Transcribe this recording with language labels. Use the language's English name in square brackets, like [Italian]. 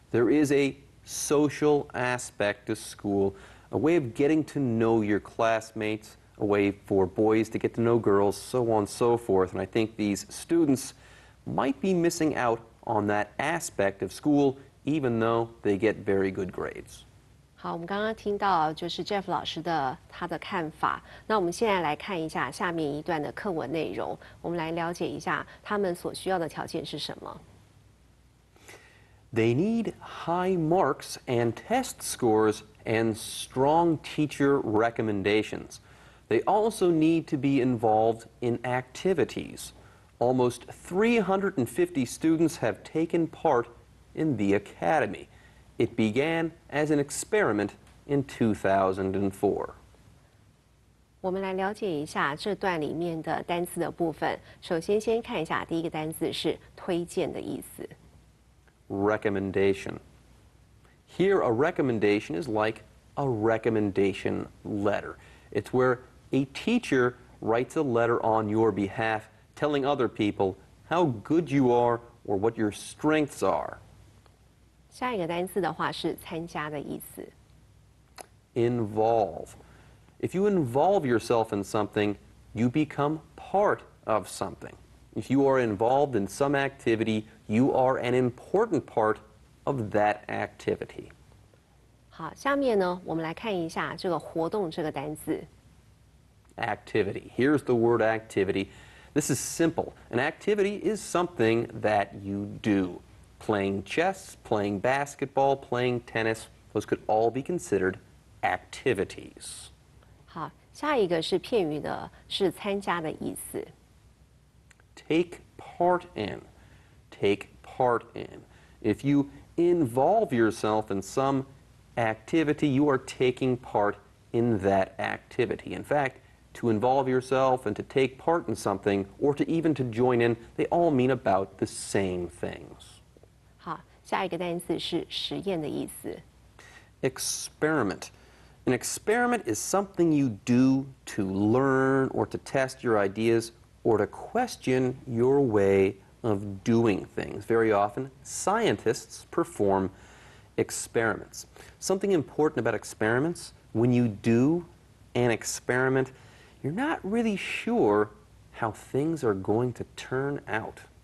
[English] There is a social aspect to school, a way of getting to know your classmates,a way for boys to get to know girls, so on so forth. And I think these students might be missing out on that aspect of school, even though they get very good grades. [Chinese] 好，我们刚刚听到就是 Jeff 老师的他的看法。那我们现在来看一下下面一段的课文内容，我们来了解一下他们所需要的条件是什么。 [English] They need high marks and test scores and strong teacher recommendations. They also need to be involved in activities. Almost 350 students have taken part in the academy. It began as an experiment in 2004. [Chinese] 我们来了解一下这段里面的单词的部分。首先先看一下第一个单词是推荐的意思。 [English] Recommendation. Here a recommendation is like a recommendation letter. It's where a teacher writes a letter on your behalf telling other people how good you are or what your strengths are. [Chinese] 下一个单词的话是参加的意思。 [English] Involve. If you involve yourself in something, you become part of something. If you are involved in some activity, you are an important part of that activity. [Chinese] 好，下面呢，我们来看一下这个活动这个单词。 [English] Activity. Here's the word activity. This is simple. An activity is something that you do. Playing chess, playing basketball, playing tennis, those could all be considered activities. [Chinese] 好，下一个是片语的，是参加的意思。 [English] Take part in. Take part in. If you involve yourself in some activity, you are taking part in that activity. In fact,To involve yourself and to take part in something, or to even to join in, they all mean about the same things. [Chinese] 好，下一个单词是实验的意思。 [English] Experiment. An experiment is something you do to learn or to test your ideas or to question your way of doing things. Very often, scientists perform experiments. Something important about experiments, when you do an experiment,You're not really sure how things are going to turn out.